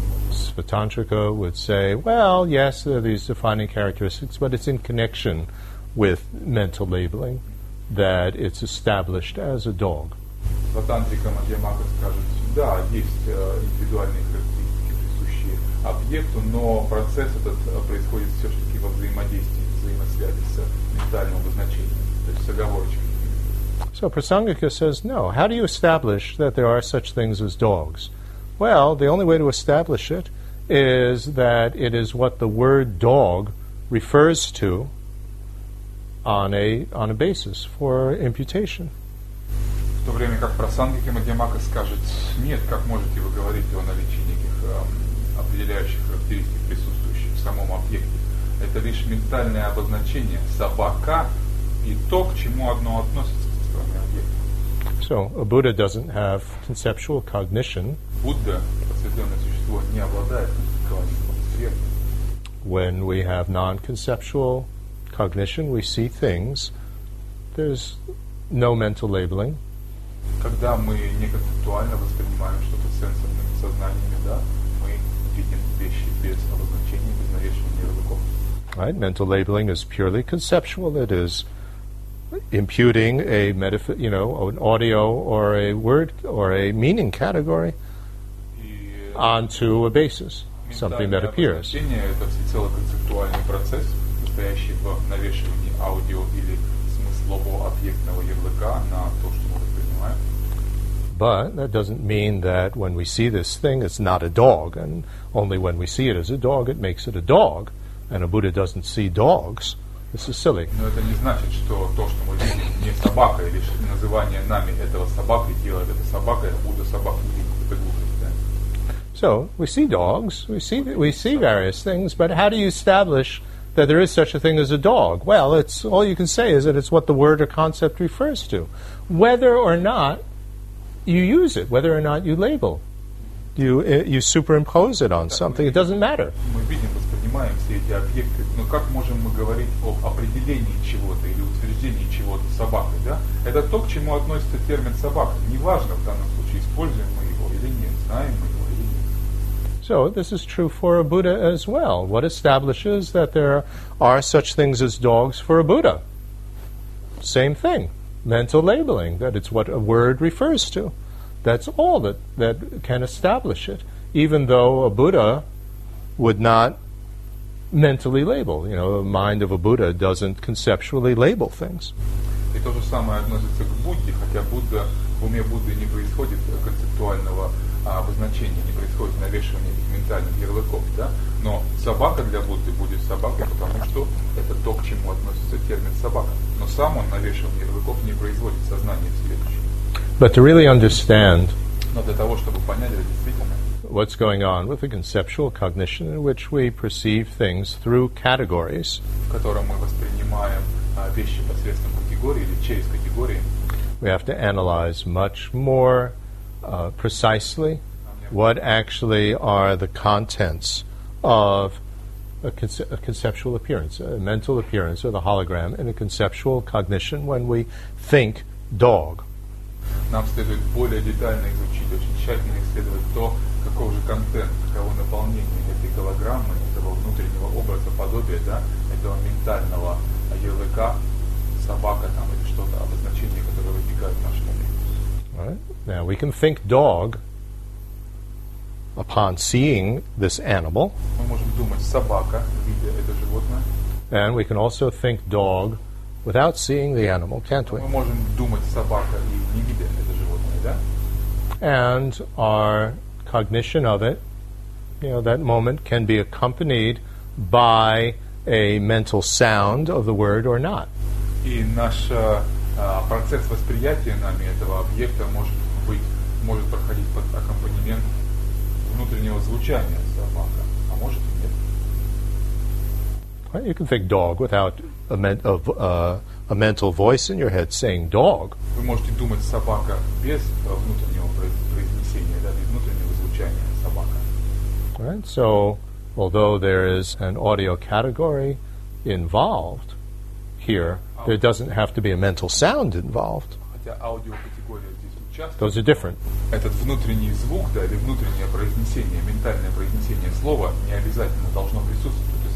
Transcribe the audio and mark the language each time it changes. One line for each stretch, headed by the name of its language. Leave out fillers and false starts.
English: Svatantrika would say, well, yes, there are these defining characteristics, but it's in connection with mental labeling that it's established as a dog.
Russian: Svatantrika Madhyamaka скажет, да, есть индивидуальные характеристики, присущие объекту, но процесс этот происходит все-таки во взаимодействии, взаимосвязи с ментальным обозначением, то есть с оговорочкой.
English: So Prasangika says, no, how do you establish that there are such things as dogs? Well, the only way to establish it is that it is what the word dog refers to on a basis for imputation.
Russian: В то время как Прасангика Мадьямака скажет, нет, как можете вы говорить о наличии неких определяющих характеристик, присутствующих в самом объекте? Это лишь ментальное обозначение собака и то, к чему одно относится.
English: So, a Buddha doesn't have conceptual cognition.
Russian: Buddha, просветленное существо, не обладает концептуальным восприятием.
English: When we have non-conceptual cognition, we see things. There's no mental labeling.
Russian: Когда мы неконцептуально воспринимаем что-то сенсорными сознаниями, да, мы видим вещи без обозначения, без навешивания ярлыков.
English: Right, mental labeling is purely conceptual. It is imputing a you know, an audio or a word or a meaning category onto a basis, something that appears.
Russian: Это всецело концептуальный процесс, состоящий в навешивании аудио или смыслового объектного ярлыка на то, что мы воспринимаем.
English: But that doesn't mean that when we see this thing, it's not a dog, and only when we see it as a dog, it makes it a dog, and a Buddha doesn't see dogs. This is silly.
Russian: Но это не значит, что то, что мы видим, не собака, или называние нами этого собакой делает это собака, это Будда собака, это глупость, да?
English: So, we see dogs, we see various things, but how do you establish that there is such a thing as a dog? Well, it's all you can say is that it's what the word or concept refers to. Whether or not you use it, whether or not you label, you superimpose it on something, it doesn't matter.
Russian: Все эти объекты, но как можем мы говорить об определении чего-то или утверждении чего-то собакой, да? Это то, к чему относится термин собака. Неважно в данном случае, используем мы его или нет, знаем мы его или нет.
English: So, this is true for a Buddha as well. What establishes that there are such things as dogs for a Buddha? Same thing. Mental labeling, that it's what a word refers to. That's all that can establish it. Even though a Buddha would not mentally label, you know, the mind of a Buddha doesn't conceptually label things.
Russian: И то же самое относится к Будде, хотя Будда, в уме Будды не происходит концептуального обозначения, не происходит навешивания этих ментальных ярлыков, да? Но собака для Будды будет собакой, потому что это то, к чему относится термин собака. Но сам он навешивание ярлыков не производит сознание в себе.
English: But to really understand,
Russian: но для того, чтобы понять это действительно,
English: what's going on with the conceptual cognition in which we perceive things through categories,
Russian: в котором мы воспринимаем вещи посредством категории или через категории,
English: we have to analyze much more precisely what actually are the contents of a conceptual appearance, a mental appearance, or the hologram in a conceptual cognition when we think dog.
Russian: Нам следует более детально изучить, очень тщательно исследовать то, какого же контент, каково наполнение этой голограммы, этого внутреннего образа, подобия, да, этого ментального ярлыка, собака там или что-то, обозначение, которое возникает в нашем уме.
English: Right. Now we can think dog upon seeing this animal.
Russian: Мы можем думать собака, видя это животное.
English: And we can also think dog without seeing the animal, can't we?
Russian: Мы можем думать собака и не видя это животное, да?
English: And our cognition of it, you know, that moment can be accompanied by a mental sound of the word or not.
Russian: И наш процесс восприятия нами этого объекта может проходить под аккомпанемент внутреннего звучания собака, а может и нет.
English: You can think dog without a mental voice in your head saying dog.
Russian: Вы можете думать собака без внутреннего произнесения, да, без внутреннего звучания собака.
English: Right, so although there is an audio category involved here, there doesn't have to be a mental sound involved.
Russian: Хотя аудиокатегория здесь участвует.
English: Those are different.
Russian: Этот внутренний звук, да, или внутреннее произнесение, ментальное произнесение слова не обязательно должно присутствовать.